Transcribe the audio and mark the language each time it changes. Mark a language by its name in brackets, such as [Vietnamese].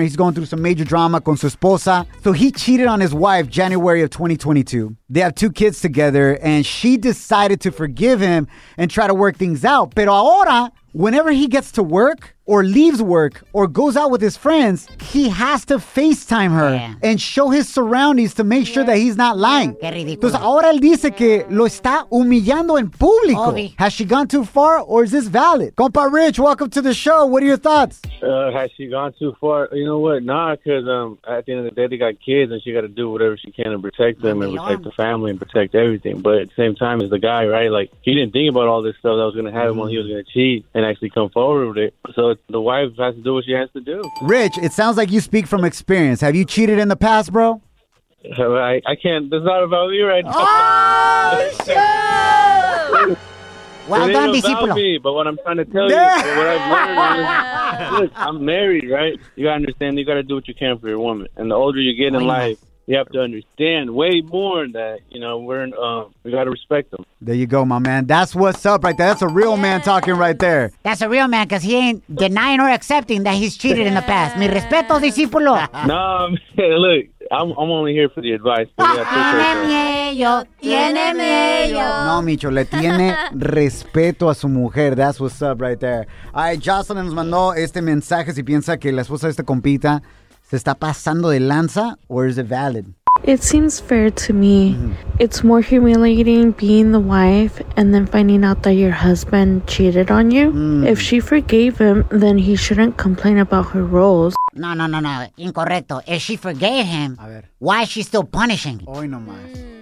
[English] He's going through some major drama [Spanish] con su esposa. [English] So he cheated on his wife January of 2022. They have two kids together, and she decided to forgive him and try to work things out. [Spanish] Pero ahora, [English] whenever he gets to work or leaves work or goes out with his friends, he has to FaceTime her and show his surroundings to make sure that he's not lying. [Spanish] Qué ridículo. Entonces ahora él dice que lo está humillando en público. Obby. [English] Has she gone too far or is this valid? Compa Rich, welcome to the show. What are your thoughts? Has she gone too far? You know what? Nah, because at the end of the day, they got kids and she got to do whatever she can to protect them and protect the family and protect everything. But at the same time as the guy, right? Like, he didn't think about all this stuff that was going to happen when he was going to cheat and actually come forward with it. So the wife has to do what she has to do. Rich, it sounds like you speak from experience. Have you cheated in the past, bro? I can't. That's not about me right now. Oh, shit! Well, it done, [Spanish] discípulo. [English] About me, but what I'm trying to tell you, what I've learned is, look, I'm married, right? You got to understand, you got to do what you can for your woman. And the older you get in life, you have to understand way more that, you know, we got to respect them. There you go, my man. That's what's up right there. That's a real man talking right there. That's a real man because he ain't denying or accepting that he's cheated in the past. [Spanish] Mi respeto, discípulo. [English] No, man, look, I'm only here for the advice. [Spanish] Tiene miedo, tiene miedo. No, Micho, le tiene respeto a su mujer. [English] That's what's up right there. All right, [Spanish] Jocelyn nos mandó este mensaje si piensa que la esposa de esta compita se está pasando de lanza, [English] or is it valid? It seems fair to me. Mm-hmm. It's more humiliating being the wife and then finding out that your husband cheated on you. Mm. If she forgave him, then he shouldn't complain about her roles. No. [Spanish] Incorrecto. [English] If she forgave him, [Spanish] a ver, [English] why is she still punishing? [Spanish] Hoy no más.